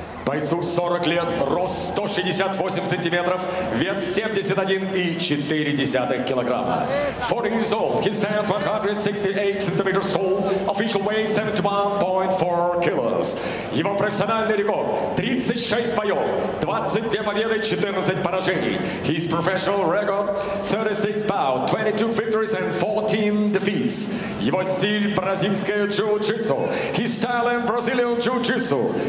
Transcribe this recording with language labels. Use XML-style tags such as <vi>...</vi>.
<ru>Бойцу 40 лет, рост 168 сантиметров, вес 71,4 килограмма.</ru> <en>40 years old, he stands 168 centimeters tall, official weight 71.4 kilos.</en> <ru>Его профессиональный рекорд 36 боев, 22 победы, 14 поражений.</ru> <en>His professional record 36 bouts, 22 victories and 14 defeats.</en> <ru>Его стиль бразильское джиу-джитсу.</ru> <en>His style in Brazilian jiu-jitsu.</en>